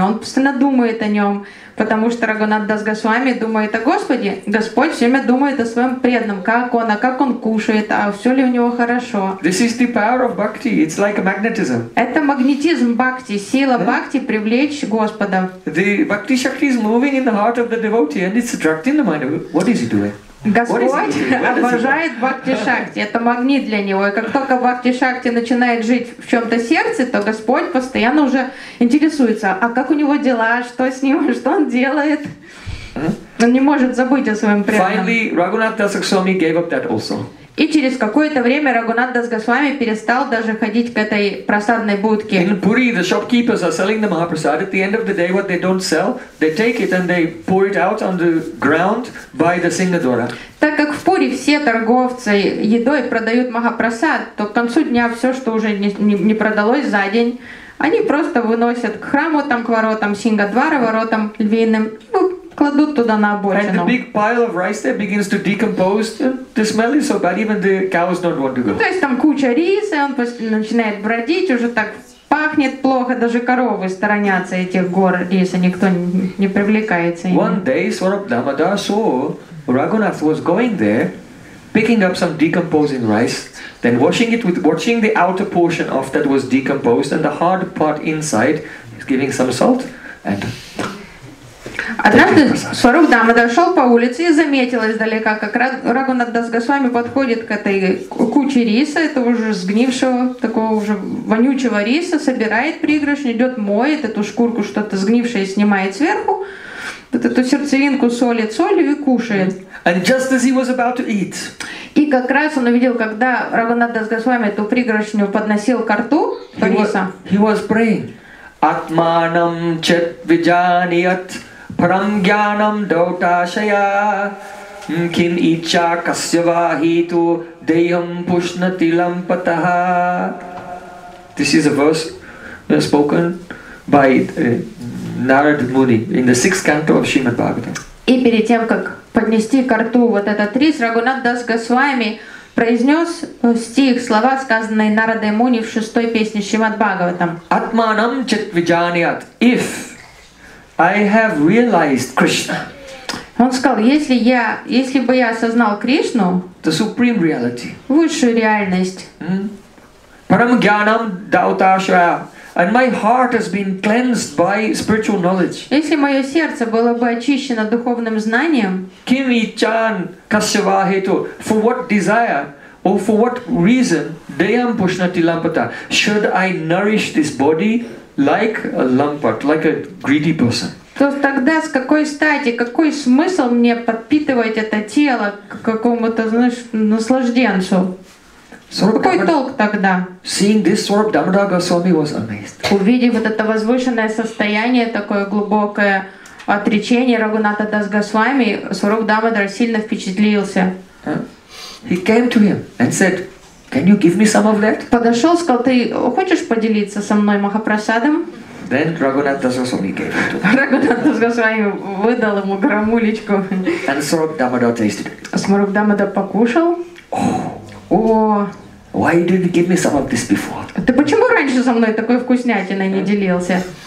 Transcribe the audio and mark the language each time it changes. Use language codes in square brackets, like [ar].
[ru] Он постоянно думает о нем, потому что Рагхунатха Дас Госвами думает о Господе. Господь все время думает о своем преданном, как он кушает, а все ли у него хорошо. [en] This is the power of bhakti. It's like a magnetism. [ru] Это магнетизм бхакти, сила бхакти привлечь Господа. [en] The bhakti shakti is moving in the heart of the devotee and it's attracting the mind. What is he doing? [ru] Господь обожает бхакти-шакти, это магнит для него. И как только бхакти-шакти начинает жить в чем-то сердце, то Господь постоянно уже интересуется, а как у него дела, что с ним, что он делает. Он не может забыть о своем преданном. И через какое-то время Рагхунатх Дас Госвами перестал даже ходить к этой просадной будке. [en] In Puri, the shopkeepers are selling the Mahaprasad. At the end of the day, what they don't sell, they take it and they pour it out on the ground by the Singhadwara. [ru] Так как в Пури все торговцы едой продают Махапрасад, то к концу дня все, что уже не продалось за день, они просто выносят к храму, там, к воротам Сингадвара, воротам львиным. Кладут туда на обочину. [en] And the big pile of rice there begins to decompose. The smell is so bad, even the cows don't want to go. [ru] То есть там куча риса, он начинает бродить, уже так пахнет плохо, даже коровы сторонятся этих гор риса, никто не привлекается. [en] One day, Swarup Damodar saw Raghunath was going there, picking up some decomposing rice, then washing the outer portion of that was decomposed, and the hard part inside, he's giving some salt, and... [ru] Однажды Сварупа Дамодар шел по улице и заметил издалека, как Рагхунатх Дас Госвами подходит к этой куче риса, этого уже сгнившего, такого уже вонючего риса, собирает пригоршню, идет моет эту шкурку, что-то сгнившее снимает сверху, вот эту сердцевинку солит солью и кушает. [en] And just as he was about to eat. [ru] И как раз он увидел, когда Рагхунатх Дас Госвами эту пригоршню подносил к рту риса. [en] He was praying. [sa] Атманам чет виджаният парам гьянам дауташая мхин ичча касьява хиту дейхам пушнати лампатаха. [en] This is a verse spoken by Narad Muni in the sixth canto of Shrimad Bhagavatam. [ru] И перед тем, как поднести ко рту вот этот рис, Рагхунатх Дас Госвами произнес стих, слова, сказанные Нарадой Муни в шестой песне Шримад Бхагаватам. [sa] Атманам чит виджаният. [en] If I have realized Krishna. [ru] Он сказал, если бы я осознал Кришну, [en] the supreme reality. [ru] Высшую реальность. [sa] Param gyanam dautashaya. [en] And my heart has been cleansed by spiritual knowledge. [ru] Если мое сердце было бы очищено духовным знанием, [sa] kim ichan kasyava hetu, [en] for what desire or for what reason [sa] dayam pushnati lampata, [en] should I nourish this body like a lampat, like a greedy person? [ru] То тогда с какой стати, какой смысл мне подпитывать это тело к какому-то, знаешь, наслажденцу? Какой толк тогда? [en] Seeing this Swarup Damodar Goswami was amazed. [ru] Увидев вот это возвышенное состояние, такое глубокое отречение Рагхунатха Дас Госвами, Сваруп Дамодар сильно впечатлился. [en] He came to him and said, "Can you give me some of that?" [ru] Подошел, сказал, ты хочешь поделиться со мной махапрасадом? [en] Then Raghunath Das Goswami gave it to him. [ru] Рагхунатх Дас Госвами выдал ему грамулечку. [en] And Swarup Damodar tasted it. [ru] Сваруп Дамодар покушал. [en] Why didn't you give me some of this before? [ru] Ты почему раньше со мной такой вкуснятиной не делился?